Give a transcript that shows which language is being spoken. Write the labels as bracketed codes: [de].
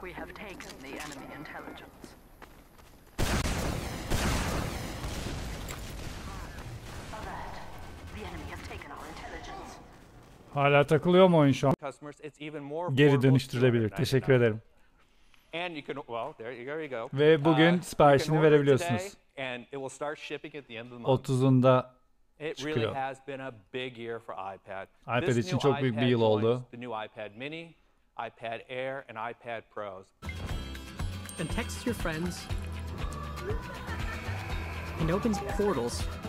[en] We have taken the enemy intelligence. Alert. The enemy has taken our intelligence. [tr] Hala takılıyor mu oyun şu an? Geri dönüştürülebilir. Teşekkür ederim. [en] And you can, well, there you go. [tr] Ve bugün siparişini verebiliyorsunuz. [en] 30'unda it really has been a big year for iPad. [tr] iPad için çok büyük bir yıl oldu. [en] The new iPad Mini, iPad Air and iPad Pros. And texts your friends. And opens portals.